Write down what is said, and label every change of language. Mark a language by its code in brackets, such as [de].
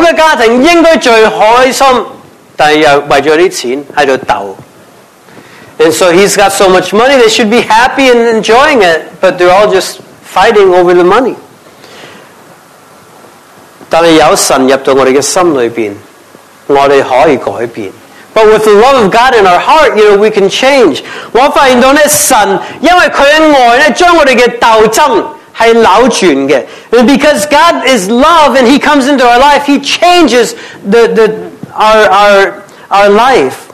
[zh] 即是他这么有钱,这么好的家庭,应该最开心, 但是为了钱,在这里斗。 [en] And so he's got so much money, they should be happy and enjoying it, but they're all just fighting over the money. [zh] 但是有神入到我们的心里面, 我们可以改变。 [en] But with the love of God in our heart, you know, we can change. [zh] 我发现到呢,神,因为他的爱呢,将我们的斗争是扭转的。 [en] And because God is love and He comes into our life, He changes our life.